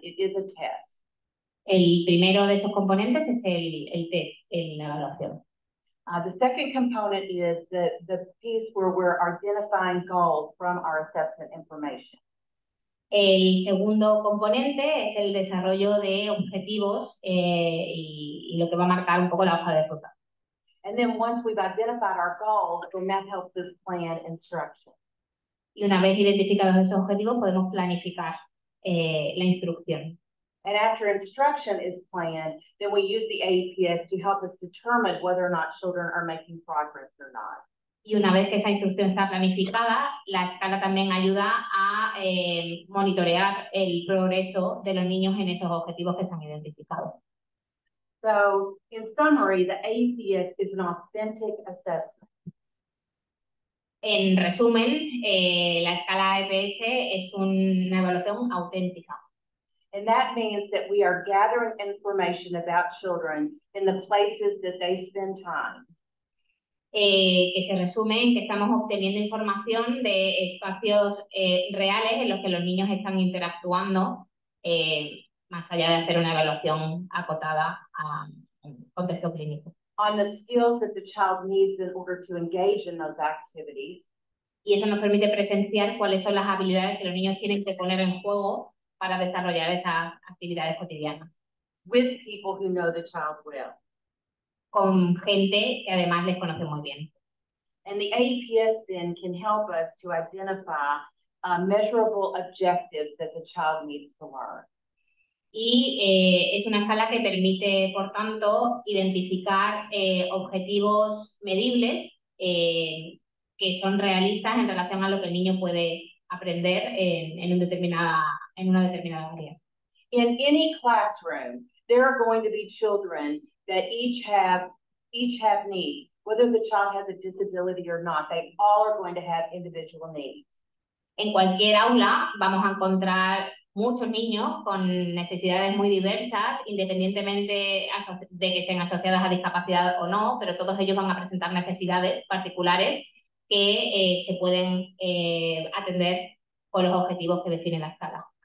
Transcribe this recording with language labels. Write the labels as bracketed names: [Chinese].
[English] It is a test. [Spanish] El primero de esos componentes es el test, la evaluación. [English] The second component is the piece where we're identifying goals from our assessment information. [Spanish] El segundo componente es el desarrollo de objetivos y lo que va a marcar un poco la hoja de ruta. [English] And then once we've identified our goals, then that helps us plan instruction. [Spanish] Y una vez identificados esos objetivos, podemos planificar la instrucción. [English] And after instruction is planned, then we use the AEPS to help us determine whether or not children are making progress or not. [Spanish] Y una vez que esa instrucción está planificada, la escala también ayuda a monitorear el progreso de los niños en esos objetivos que se han identificado. [English] So, in summary, the AEPS is an authentic assessment. [Spanish] En resumen, la escala EPS es una evaluación auténtica. [English] And that means that we are gathering information about children in the places that they spend time. [Spanish] Que se resume en que estamos obteniendo información de espacios reales en los que los niños están interactuando, más allá de hacer una evaluación acotada a un contexto clínico. [English] On the skills that the child needs in order to engage in those activities. [Spanish] Y eso nos permite presenciar cuáles son las habilidades que los niños tienen que poner en juego para desarrollar esas actividades cotidianas. [English] With people who know the child well. [Spanish] Con gente que además les conoce muy bien. [English] And the AEPS then can help us to identify measurable objectives that the child needs to learn. [Spanish] Y es una escala que permite, por tanto, identificar objetivos medibles que son realistas en relación a lo que el niño puede aprender en una determinada área. [English] In any classroom, there are going to be children that each have needs, whether the child has a disability or not, they all are going to have individual needs. [Spanish] En cualquier aula vamos a encontrar muchos niños con necesidades muy diversas, independientemente de que estén asociadas a discapacidad o no, pero todos ellos van a presentar necesidades particulares que se pueden atender con los objetivos que define la escala.